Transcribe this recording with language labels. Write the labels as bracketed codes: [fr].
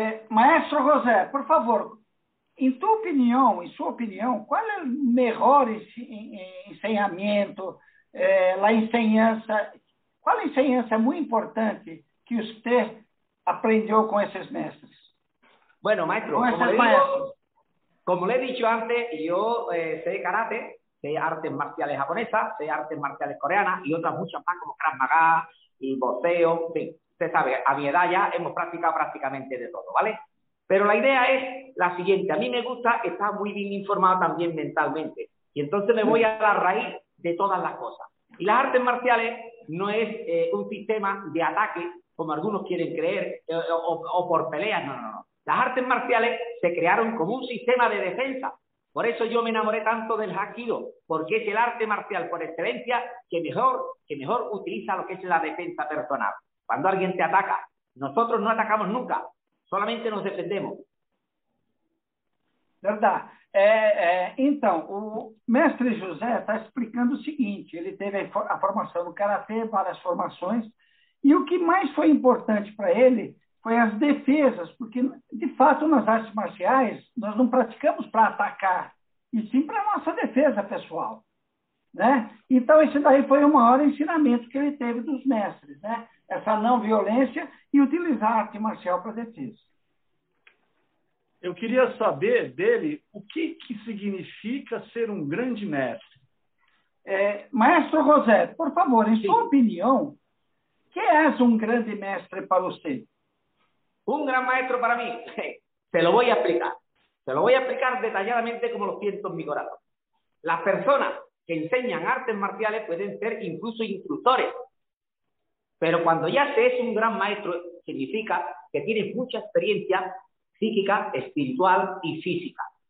[pt] Maestro José, por favor, em tua opinião, em sua opinião, qual é o melhor ensinamento, a ensinança, qual a ensinança muito importante que você aprendeu com esses mestres? [es] Bueno, maestro, como le he dicho antes, yo sé karate, sé artes marciales japonesas, sé artes marciales coreanas y otras muchas más como Krav Maga, y boxeo, bien, usted sabe, a mi edad ya hemos practicado prácticamente de todo, ¿vale? Pero la idea es la siguiente, a mí me gusta estar muy bien informado también mentalmente, y entonces me voy a la raíz de todas las cosas. Y las artes marciales no es un sistema de ataque, como algunos quieren creer, o por peleas, no. Las artes marciales se crearon como un sistema de defensa. Por eso yo me enamoré tanto del Hapkido, porque es el arte marcial por excelencia que mejor utiliza lo que es la defensa personal. Cuando alguien te ataca, nosotros no atacamos nunca, solamente nos defendemos. Verdad. [pt] Então, o mestre José está explicando o seguinte, ele teve a formação no Karatê, várias formações, e o que mais foi importante para ele foi as defesas, porque, de fato, nas artes marciais, nós não praticamos para atacar, e sim para a nossa defesa pessoal. Né? Então, esse daí foi o maior ensinamento que ele teve dos mestres, né? Essa não violência e utilizar a arte marcial para defesa. Eu queria saber dele o que significa ser um grande mestre. Maestro José, por favor, em sua opinião, que é um grande mestre para você? [es] Un gran maestro para mí, se lo voy a explicar. Se lo voy a explicar detalladamente como lo siento en mi corazón. Las personas que enseñan artes marciales pueden ser incluso instructores. Pero cuando ya se es un gran maestro, significa que tienes mucha experiencia psíquica, espiritual y física.